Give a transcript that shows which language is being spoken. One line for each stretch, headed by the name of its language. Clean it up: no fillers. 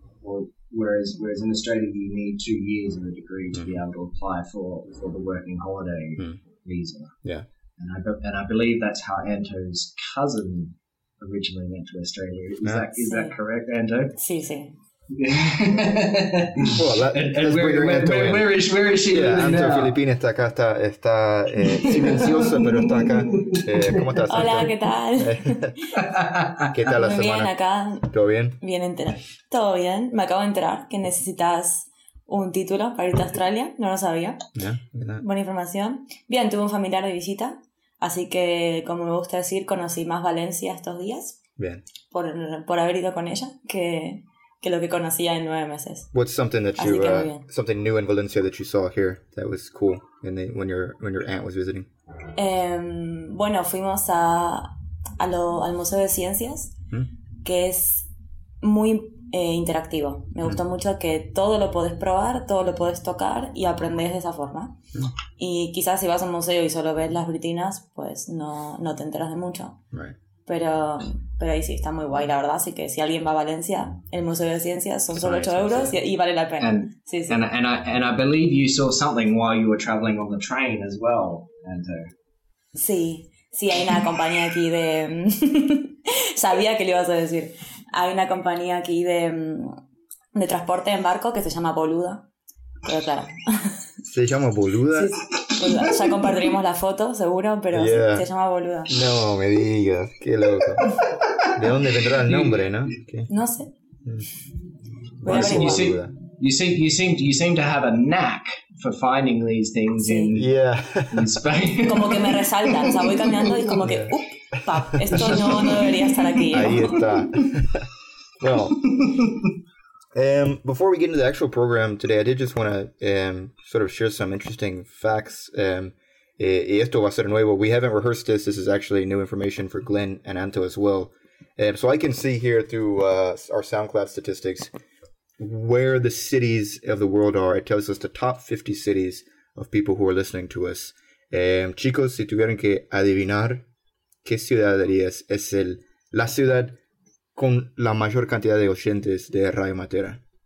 English: Or whereas in Australia you need 2 years of a degree to be able to apply for the working holiday visa. Yeah, and I believe that's how Anto's cousin originally went to Australia. Is that correct, Anto?
Spanish: Sí, sí.
English: Well, where is she?
Spanish: Yeah, Anto Filipina está acá, está silenciosa, pero está acá. ¿Cómo estás? Hola, Anto? ¿Qué tal? ¿Qué tal la bien, semana? Bien, acá. ¿Todo bien? Bien enterado. Todo bien. Me acabo de enterar que necesitas un título para irte a Australia. No lo sabía.
English: Yeah,
Spanish: buena información. Bien, tuve un familiar de visita. Así que, como me gusta decir, conocí más Valencia estos días. Bien. Por haber ido con ella, que lo que conocía en 9 meses.
English: What's something that you something new in Valencia that you saw here that was cool in the, when your aunt was visiting?
Spanish: Bueno, fuimos al Museo de Ciencias, que es muy interactivo. Me gustó mucho que todo lo puedes probar, todo lo puedes tocar y aprendes de esa forma. Y quizás si vas a un museo y solo ves las vitrinas, pues no te enteras de mucho.
English: Right.
Spanish: Pero ahí sí, está muy guay, la verdad. Así que si alguien va a Valencia, el Museo de Ciencias son solo 8 euros y vale la pena.
English: And I believe you saw something while you were traveling on the train as well.
Spanish: Sí, hay una compañía aquí de... Sabía que le ibas a decir. Hay una compañía aquí de transporte en barco que se llama Boluda. Pero claro. ¿Se llama Boluda? Sí, sí. Pues ya compartiremos la foto, seguro, pero yeah. Se llama Boluda. No, me digas, qué loco. ¿De dónde vendrá el nombre, no? ¿Qué? No sé.
English: You seem to have a knack for finding these things in Spain.
Spanish: Como que me resalta, o sea, voy caminando y como que, esto no debería estar aquí. ¿No? Ahí está. Well.
English: Before we get into the actual program today, I did just want to sort of share some interesting facts.
Spanish: Y esto va a ser nuevo.
English: We haven't rehearsed this. This is actually new information for Glenn and Anto as well. So I can see here through our SoundCloud statistics where the cities of the world are. It tells us the top 50 cities of people who are listening to us.
Spanish: Chicos, si tuvieran que adivinar qué ciudad darías, es el la ciudad con la mayor cantidad de oyentes de Radio Matera.